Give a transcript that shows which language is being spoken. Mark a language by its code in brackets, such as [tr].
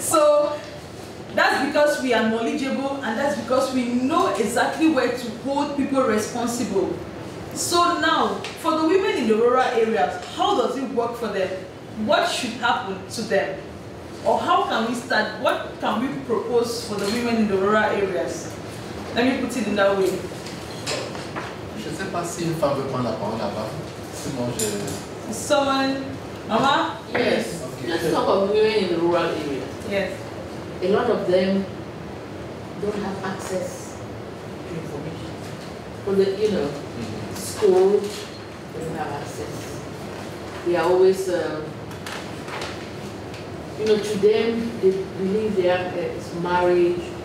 [en] So that's because we are knowledgeable and that's because we know exactly where to hold people responsible. So now, for the women in the rural areas, how does it work for them? What should happen to them? Or how can we start? What can we propose for the women in the rural areas? Let me put it in that way. [fr] Je ne sais pas si une femme veut prendre la parole là-bas. [en] So, Mama? Yes. Okay. Let's talk of women in the rural area. Yes. A lot of them don't have access to information. For the, you know, school, they don't have access. They are always, you know, to them, they believe they have it's marriage.